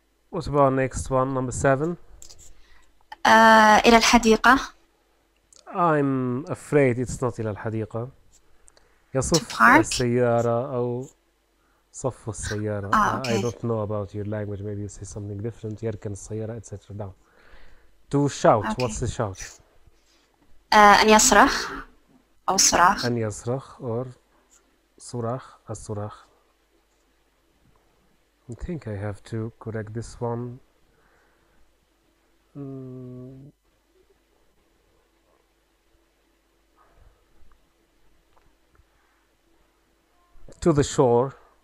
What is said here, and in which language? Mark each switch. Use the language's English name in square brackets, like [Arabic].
[English] What about our next one, number seven? [Arabic] إلى الحديقة. [English] I'm afraid it's not [Arabic] إلى الحديقة. يصف السيارة أو صف السيارة. [English] Okay. I don't know about your language. Maybe you say something different. [Arabic] يركن السيارة, etc. [English] Down. To shout. Okay. What's the shout? [Arabic] أن يصرخ أو صراخ. أن يصرخ or صراخ. الصراخ. [English] I think I have to correct this one. To the shore.